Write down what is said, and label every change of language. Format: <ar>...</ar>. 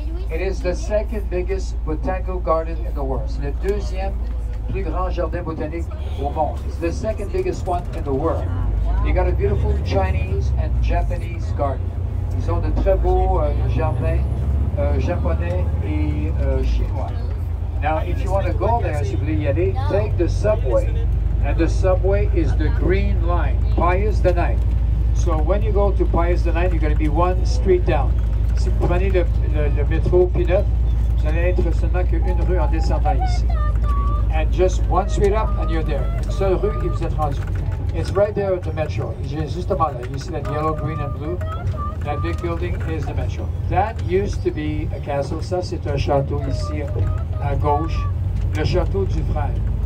<en>It is the second biggest botanical garden in the world.</en> <fr>C'est le deuxième plus grand jardin botanique au monde.</fr> <en>It's the second biggest one in the world. You got a beautiful Chinese and Japanese garden.</en> <fr>Ils ont de très beaux jardins japonais et chinois.</fr> <en>Now, if you want to go there,</en> <fr>si vous voulez y aller,</fr> <en>take the subway. And the subway is the Green Line, Pius the Ninth. So when you go to Pius the Ninth, you're going to be one street down.</en> <fr>Si vous prenez le métro P9, vous allez être seulement qu'une rue en descendant ici.</fr> <en>And just one street up, and you're there.</en> <fr>Une seule rue, et vous êtes rendu.</fr> <en>It's right there at the metro.</en> <fr>Justement là,</fr> <en>you see that yellow, green, and blue? That big building is the metro. That used to be a castle.</en> <fr>Ça, c'est un château ici, à gauche. Le château Dufresne.</fr>